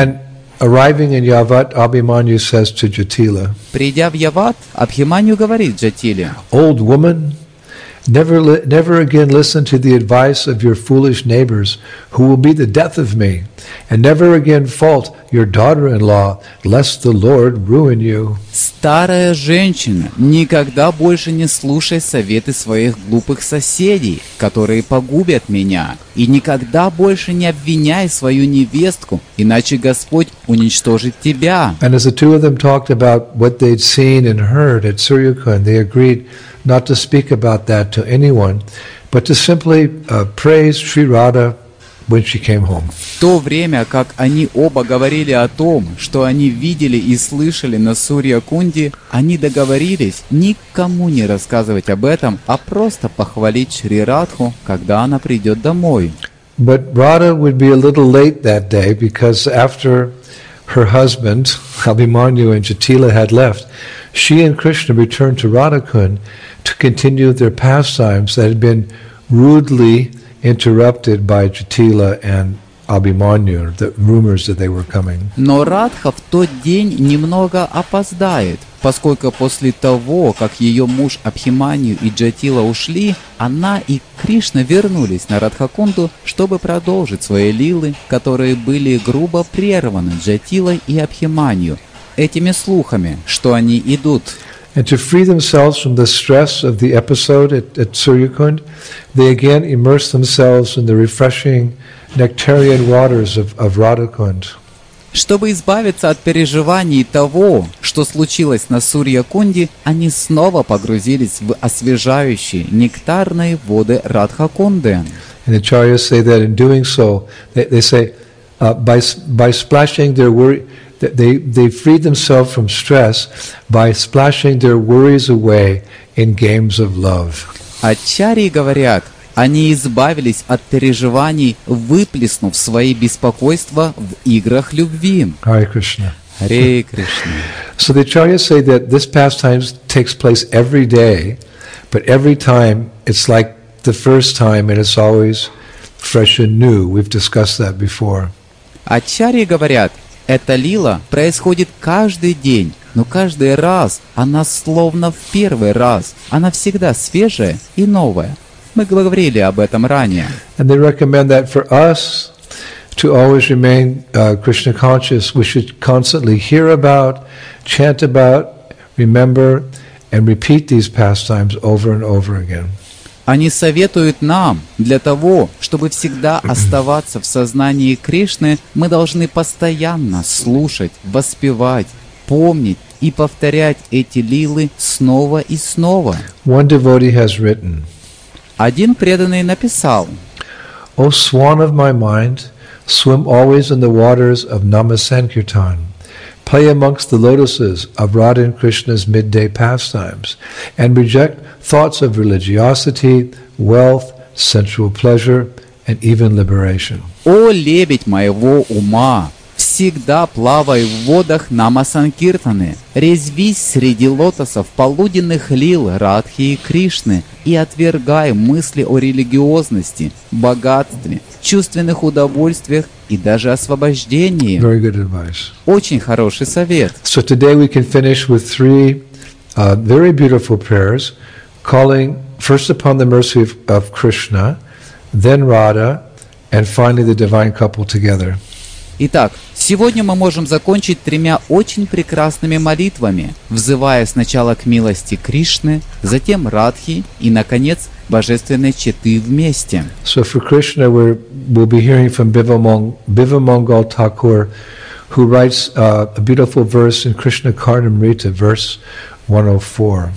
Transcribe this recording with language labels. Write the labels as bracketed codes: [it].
[en] And arriving in Yavat, Abhimanyu says to Jyotila. [ru] Придя в Яват, Абхиманию говорит Джатиле: [en] "Old woman, Never again listen to the advice of your foolish neighbors, who will be the death of me, and never again fault your daughter-in-law, lest the Lord ruin you." [ru] Старая женщина, никогда больше не слушай советы своих глупых соседей, которые погубят меня, и никогда больше не обвиняй свою невестку, иначе Господь уничтожит тебя. [en] And as the two of them talked about what they'd seen and heard at Suryakund, they agreed not to speak about that to anyone, but to simply praise Shri Radha when she came home. [ru] В то время, как они оба говорили о том, что они видели и слышали на Сурья-кунде, они договорились никому не рассказывать об этом, а просто похвалить Шри Радху, когда она придет домой. [en] But Radha would be a little late that day, because after her husband, Abhimanyu and Jatila, had left, she and Krishna returned to Radhakund to continue their pastimes that had been rudely interrupted by Jatila and Abhimanyu, the rumors that they were coming. [ru] Но Радха в тот день немного опоздает, поскольку после того, как ее муж Абхиманию и Джатила ушли, она и Кришна вернулись на Радхакунду, чтобы продолжить свои лилы, которые были грубо прерваны Джатилой и Абхиманию этими слухами, что они идут. [en] And to free themselves from the stress of the episode at Suryakund, they again immerse themselves in the refreshing nectarian waters of Radhakund. [ru] Чтобы избавиться от переживаний того, что случилось на Сурья-кунде, они снова погрузились в освежающие нектарные воды Радха-кунды. [en] And the acharyas say that in doing so, they say, by splashing their worry, they freed themselves from stress by splashing their worries away in games of love. [ru] Ачарьи говорят, они избавились от переживаний, выплеснув свои беспокойства в играх любви. [sa] Hare Krishna. Hare Krishna. [en] So the acharyas say that this pastime takes place every day, but every time it's like the first time and it's always fresh and new. We've discussed that before. [ru] Ачарьи говорят, эта лила происходит каждый день, но каждый раз она словно в первый раз, она всегда свежая и новая. Мы говорили об этом ранее. [en] And they recommend that for us to always remain Krishna conscious, we should constantly hear about, chant about, remember and repeat these pastimes over and over again. [ru] Они советуют нам, для того, чтобы всегда оставаться в сознании Кришны, мы должны постоянно слушать, воспевать, помнить и повторять эти лилы снова и снова. [en] One devotee has written, [ru] один преданный написал: [en] O swan of my mind, swim always in the waters of Nama Sankirtan. Play amongst the lotuses of Radha and Krishna's midday pastimes and reject thoughts of religiosity, wealth, sensual pleasure and even liberation. [ru] О лебедь моего ума, всегда плавай в водах Нама Санкиртаны, резвись среди лотосов полуденных лил Радхи и Кришны и отвергай мысли о религиозности, богатстве, чувственных удовольствиях и даже освобождении. [en] Very good advice. [ru] Очень хороший совет. [en] So today we can finish with three very beautiful prayers, calling first upon the mercy of Krishna, then Radha, and finally the divine couple together. [ru] Итак, сегодня мы можем закончить тремя очень прекрасными молитвами, взывая сначала к милости Кришны, затем Радхи и, наконец, Божественной Четы вместе. [en] So for Krishna, we'll be hearing from Bivamangal Thakur, who writes a beautiful verse in Krishna Karnamrita, verse 104.